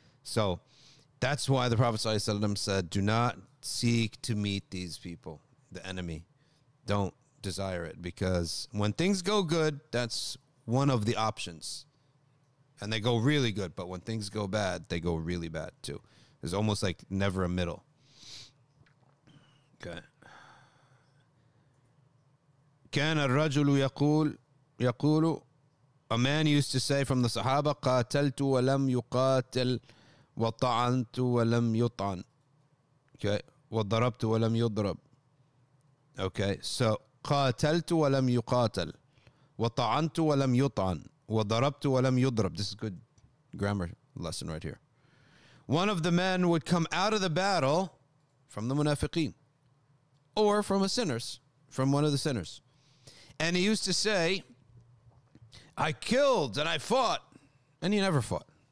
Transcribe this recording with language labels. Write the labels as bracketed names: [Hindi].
[English] So that's why the Prophet ﷺ said, do not seek to meet these people, the enemy. Don't desire it. Because when things go good, that's one of the options. And they go really good. But when things go bad, they go really bad too. There's almost like never a middle. Okay. [Arabic] كان الرجل يقول [English] a man used to say from the Sahaba, [Arabic] قاتلت ولم يقاتل وطعنت ولم يطعن. [English] Okay. [Arabic] وضربت ولم يضرب. [English] Okay. So [Arabic] قاتلت ولم يقاتل وَطَعَنْتُ وَلَمْ يُطَعَنْ وَضَرَبْتُ وَلَمْ يُضْرَبْ. [English] This is good grammar lesson right here. One of the men would come out of the battle from the munafiqeen, or from a sinners, from one of the sinners. And he used to say, I killed and I fought. And he never fought.